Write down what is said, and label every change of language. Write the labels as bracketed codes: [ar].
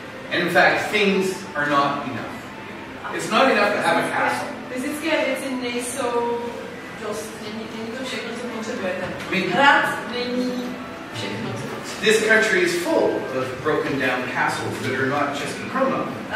[en] and in fact, things are not enough. It's not enough to have a castle. [cs] Fyzické věci nejsou dost, není to všechno, co potřebujete. Hrad není všechno, co potřebujete. [en] This country is full of broken down castles that are not just in Chroma.